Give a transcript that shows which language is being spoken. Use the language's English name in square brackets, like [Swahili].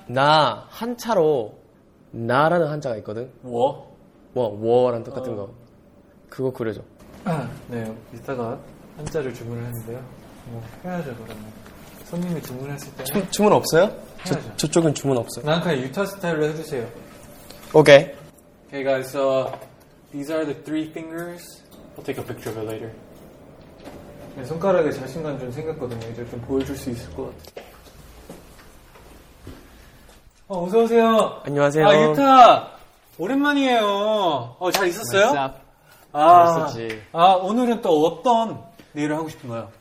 [Korean] 나, 한자로, 나라는 한자가 있거든. 워? 워랑 똑같은 거. 그거 그려줘. 네, 이따가 한자를 주문을 했는데요. 뭐, 해야죠, 그러면. 손님이 주문했을 때 주문 없어요? 저쪽은 주문 없어요. 난 그냥 유타 스타일로 해주세요. 오케이. [English] Okay, guys, so these are the three fingers. I'll take a picture of it later. [Korean] 네, 손가락에 자신감 좀 생겼거든요. 이제 좀 보여줄 수 있을 것 같아. 어서 오세요. 안녕하세요. 아, 유타 오랜만이에요. 잘 있었어요? 잘 있었지. 아, 오늘은 또 어떤 일을 하고 싶은가요?